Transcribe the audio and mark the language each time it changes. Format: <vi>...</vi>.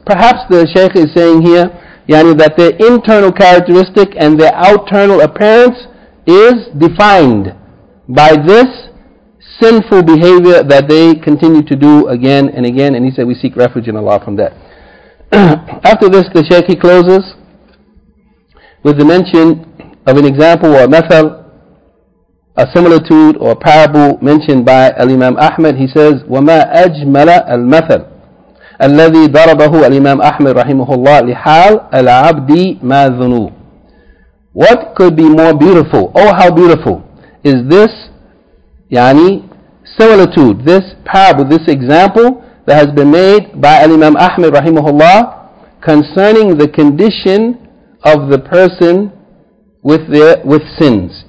<en>Perhaps the Shaykh is saying here, yani, that their internal characteristic and their outernal appearance is defined by this sinful behavior that they continue to do again and again, and he said we seek refuge in Allah from that. After this, the Shaykh, he closes with the mention of an example or a method a similitude or a parable mentioned by Al-Imam Ahmad. He says,</en> <ar>وَمَا أَجْمَلَ الْمَثَلَ الَّذِي ضَرَبَهُ Al-Imam Ahmad رَحِمُهُ اللَّهِ لِحَالَ الْعَبْدِ مَا ذُنُوهُ.</ar> <en>What could be more beautiful? Oh, how beautiful is this, yani, similitude, this parable, this example that has been made by Al-Imam Ahmad rahimahullah concerning the condition of the person with sins.</en>